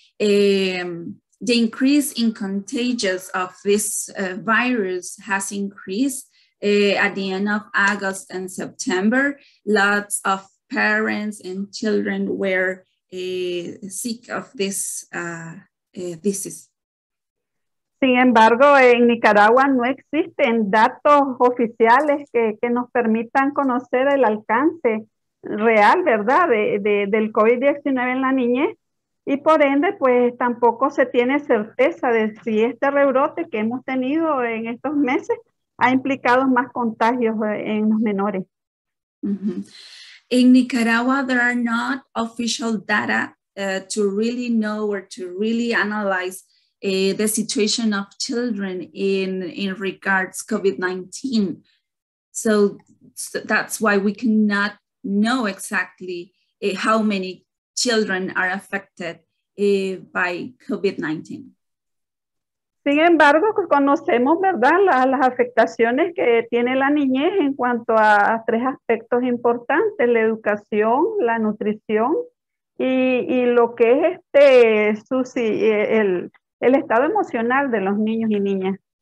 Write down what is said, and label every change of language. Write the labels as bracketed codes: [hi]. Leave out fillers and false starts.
[en] The increase in contagious of this virus has increased. At the end of August and September, lots of parents and children were sick of this disease. [es] Sin embargo, en Nicaragua no existen datos oficiales que nos permitan conocer el alcance real, ¿verdad?, del COVID-19 en la niñez. Y por ende, pues tampoco se tiene certeza de si este rebrote que hemos tenido en estos meses ha implicado más contagios en los menores. Mm-hmm. [en] In Nicaragua, there are not official data to really know or to really analyze the situation of children in regards to COVID-19. So that's why we cannot know exactly how many children are affected by COVID-19. [es] Sin embargo, conocemos, ¿verdad?, las afectaciones que tiene la niñez en cuanto a tres aspectos importantes: la educación, la nutrición y lo que es el estado emocional de los niños y niñas.